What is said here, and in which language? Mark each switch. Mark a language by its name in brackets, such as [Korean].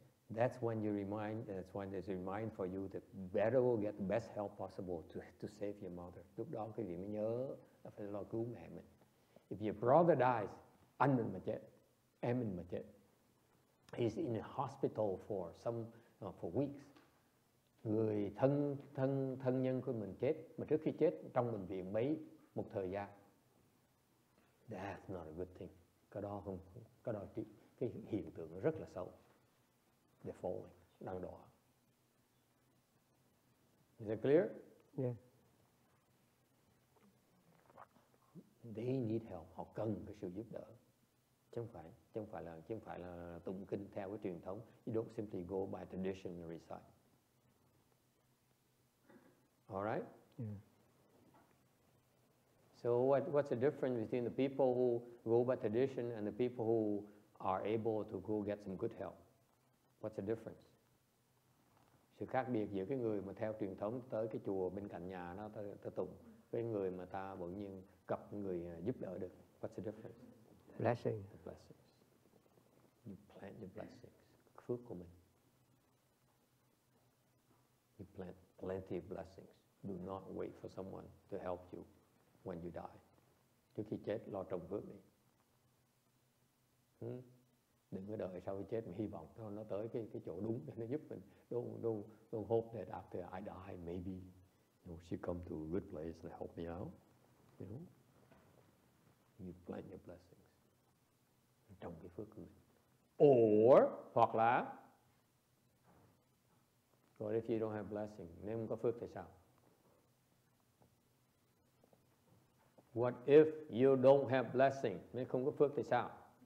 [English] That's when you remind, that's when there's a remind for you that better will get the best help possible to save your mother. [Vietnamese] Lúc đó quý vị mới nhớ là phải lo cứu mẹ mình. [English] If your brother dies, [Vietnamese] anh mình mà chết, em mình mà chết. [English] He's in a hospital for weeks. [Vietnamese] Người thân nhân của mình chết, mà trước khi chết trong bệnh viện một thời gian. [English] That's not a good thing. [Vietnamese] Cái đó cái hiện tượng rất là xấu. [English] They're falling, [Vietnamese] đang đọa. [English] Is it clear? Yeah. they need help, [Vietnamese] họ cần cái sự giúp đỡ. Chứ không phải là tụng kinh theo cái truyền thống. [English] You don't simply go by tradition and recite. All right? Yeah. So what's the difference between the people who go by tradition and the people who are able to go get some good help? What's the difference? [Vietnamese] Sự khác biệt giữa cái người mà theo truyền thống tới cái chùa bên cạnh nhà nó tới tụng với người mà ta bỗng nhiên gặp người giúp đỡ được. [English] What's the difference? Blessing. The blessings. You plant your blessings. [Vietnamese] Phước của mình. [English] You plant plenty of blessings. Do not wait for someone to help you when you die. [Vietnamese] Trước khi chết, lo trồng phước đi. Đừng có đợi sau khi chết mà hy vọng nó tới cái chỗ đúng để nó giúp mình. [English] Don't hope that after I die, maybe she come to a good place and help me out. You plant your blessings. [Vietnamese] Trồng cái phước của mình. Or, hoặc là, [English] what if you don't have blessing? [Vietnamese] Nếu không có phước thì sao? [English] What if you don't have blessing? [Vietnamese] Nếu không có phước thì sao?